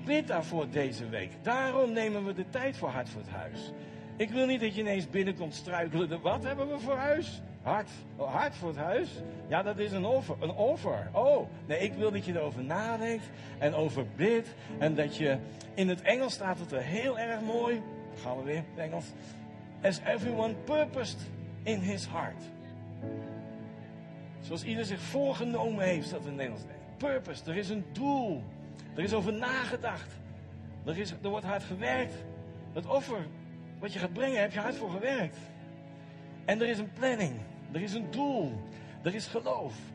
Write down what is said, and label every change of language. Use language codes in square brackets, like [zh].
[nl] Bid daarvoor deze week. Daarom nemen we de tijd voor Hart voor het Huis. Ik wil niet dat je ineens binnenkomt struikelen. Wat hebben we voor huis? Hart voor het huis? Ja, dat is een offer. Een offer. Oh, nee, ik wil dat je erover nadenkt en over bidt. En dat je, in het Engels staat het er heel erg mooi. Gaan we weer, Engels. [en] As everyone purposed in his heart. [nl] Zoals ieder zich voorgenomen heeft, staat in het Engels. Purpose, er is een doel. Er is over nagedacht. Er wordt hard gewerkt. Het offer wat je gaat brengen, heb je hard voor gewerkt. En er is een planning, er is een doel, er is geloof.